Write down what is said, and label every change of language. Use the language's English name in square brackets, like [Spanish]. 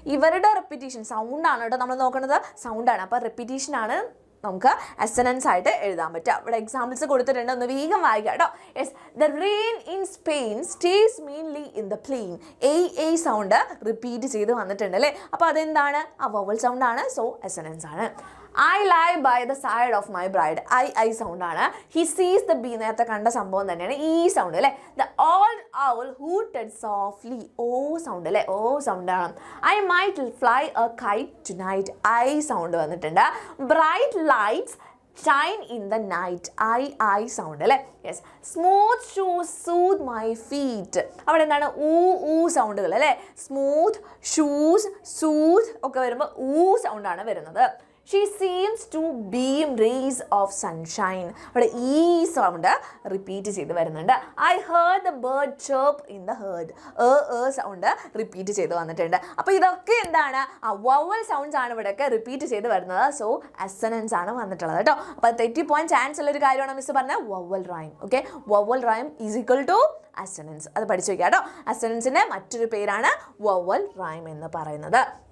[Malayalam] ഇവരുടെ repetition sound ആണ് കേട്ടോ നമ്മൾ നോക്കുന്നത്, സൗണ്ട് ആണ്. അപ്പോൾ റിപ്പീറ്റേഷൻ ആണ് നമുക്ക് അസനൻസ് ആയിട്ട് എഴുതാൻ പറ്റുക. ഇവിടെ എക്സാമ്പിൾസ് കൊടുത്തിട്ടുണ്ട്, ഒന്ന് വേഗം വായിക്കുക കേട്ടോ. [English] Yes, the rain in Spain stays mainly in the plain. [Malayalam] A sound repeat ചെയ്ത് വന്നിട്ടുണ്ട് അല്ലേ, അപ്പോൾ അതെന്താണ്? ആ വവൽ സൗണ്ട് ആണ്, സോ അസനൻസ് ആണ്. [English] I lie by the side of my bride. I sound ആണ്. He sees the bee. [Malayalam] നേരത്തെ കണ്ട സംഭവം തന്നെയാണ് ഈ സൗണ്ട് അല്ലേ. [English] The old owl hooted softly. [Malayalam] Oh sound അല്ലേ, ഓ സൗണ്ട് ആണ്. [English] I might fly a kite tonight. I sound വന്നിട്ടുണ്ട്. Bright lights shine in the night. I sound അല്ലേ. Yes. Smooth shoes soothe my feet. [Malayalam] അവിടെ എന്താണ്? ഊ സൗണ്ടുകൾ അല്ലേ. [English] Smooth shoes soothe [Malayalam] ഒക്കെ വരുമ്പോൾ ഊ sound ആണ് വരുന്നത്. [English] She seems to beam rays of sunshine. [Malayalam] അവിടെ ഈ സൗണ്ട് റിപ്പീറ്റ് ചെയ്ത് വരുന്നുണ്ട്. [English] I heard the bird chirp in the herd. [Malayalam] Sound repeat ചെയ്ത് വന്നിട്ടുണ്ട്. അപ്പോൾ ഇതൊക്കെ എന്താണ്? ആ വവൽ സൗണ്ട്സ് ആണ് ഇവിടെയൊക്കെ റിപ്പീറ്റ് ചെയ്ത് വരുന്നത്. സോ അസനൻസ് ആണ് വന്നിട്ടുള്ളത് കേട്ടോ. അപ്പോൾ തെറ്റിപ്പോകാൻ ചാൻസ് ഉള്ളൊരു കാര്യമാണ് മിസ് പറഞ്ഞത്, vowel rhyme. Okay, [English] Vowel rhyme is equal to assonance. [Malayalam] അത് പഠിച്ചു വയ്ക്കുക കേട്ടോ. അസനൻസിൻ്റെ മറ്റൊരു പേരാണ് വവൽ റൈം എന്ന് പറയുന്നത്.